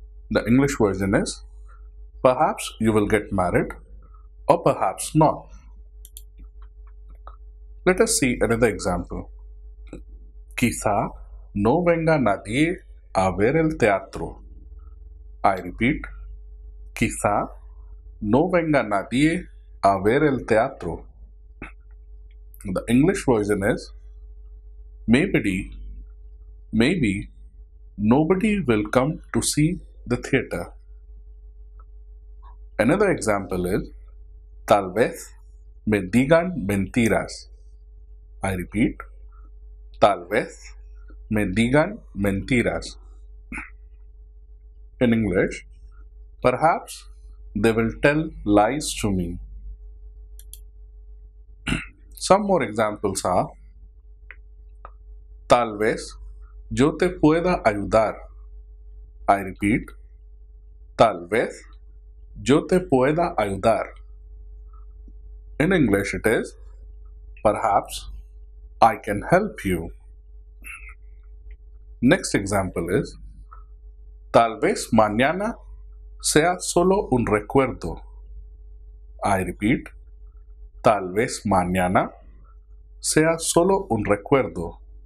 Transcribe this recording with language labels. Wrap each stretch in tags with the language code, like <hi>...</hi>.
<en>The English version is, perhaps you will get married or perhaps not. Let us see another example.</en> <es>Quizá no venga nadie a ver el teatro.</es> <en>I repeat,</en> <es>quizá no venga nadie a ver el teatro.</es> <en>The English version is, maybe nobody will come to see the theater. Another example is,</en> <es>tal vez me digan mentiras.</es> <en>I repeat,</en> <es>tal vez me digan mentiras.</es> <en>In English, perhaps they will tell lies to me. Some more examples are,</en> <es>tal vez yo te pueda ayudar.</es> <en>I repeat,</en> <es>tal vez yo te pueda ayudar.</es> <en>In English it is, perhaps I can help you. Next example is,</en> <es>tal vez mañana sea solo un recuerdo.</es> <en>I repeat,</en> <es>tal vez mañana sea solo un recuerdo.</es>